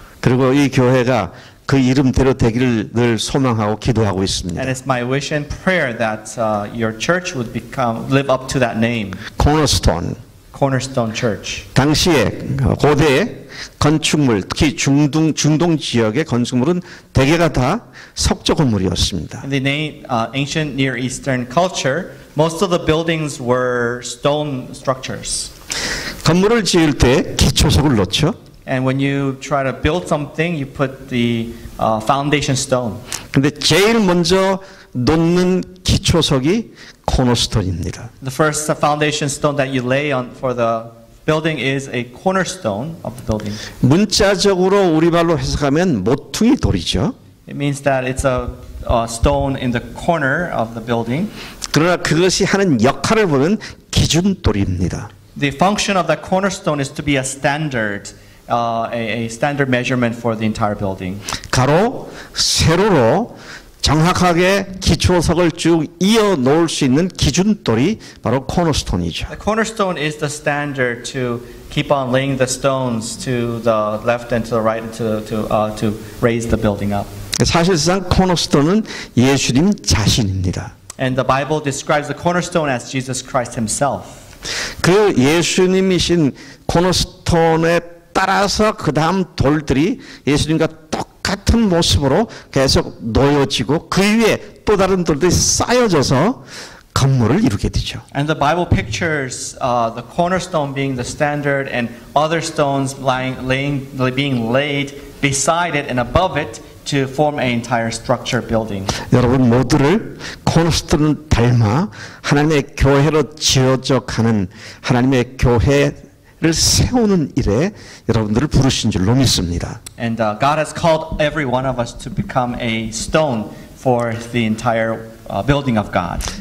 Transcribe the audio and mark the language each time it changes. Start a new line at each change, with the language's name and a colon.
Korean: 그리고 이 교회가 그 이름대로 되기를 늘 소망하고 기도하고 있습니다.
English: And it's my wish and prayer that your church would become live up to that name. Cornerstone. Cornerstone Church.
Korean: 당시에 고대 건축물, 특히 중동 지역의 건축물은 대개가 다 석조 건물이었습니다.
English: In the ancient Near Eastern culture, most of the buildings were stone structures.
Korean: 건물을 지을 때 기초석을 놓죠.
English: And when you try to build something, you put the foundation stone.
Korean: 근데 제일 먼저 놓는 기초석이 코너스톤입니다.
English: The first foundation stone that you lay on for the building is a cornerstone of the building.
Korean: 문자적으로 우리말로 해석하면 모퉁이 돌이죠.
English: It means that it's a stone in the corner of the building.
Korean: 그러나 그것이 하는 역할을 보는 기준돌입니다.
English: The function of that cornerstone is to be a standard. A standard measurement for the entire building.
Korean: 가로, 세로로 정확하게 기초석을 쭉 이어 놓을 수 있는 기준돌이 바로 코너스톤이죠.
English: The cornerstone is the standard to keep on laying the stones to the left and to the right and to raise the building up.
Korean: 사실상 코너스톤은 예수님 자신입니다.
English: And the Bible describes the cornerstone as Jesus Christ Himself.
Korean: 그 예수님이신 코너스톤의 따라서 그 다음 돌들이 예수님과 똑같은 모습으로 계속 놓여지고 그 위에 또 다른 돌들이 쌓여져서 건물을 이루게 되죠.
English: And the Bible pictures the cornerstone being the standard and other stones being laid beside it and above it to form an entire structure building.
Korean: 여러분 모두를 코너스톤을 닮아 하나님의 교회로 지어져 가는 하나님의 교회 를 세우는 일에 여러분들을 부르신 줄로 믿습니다.
English: And God has called every one of us to become a stone for the entire building of God.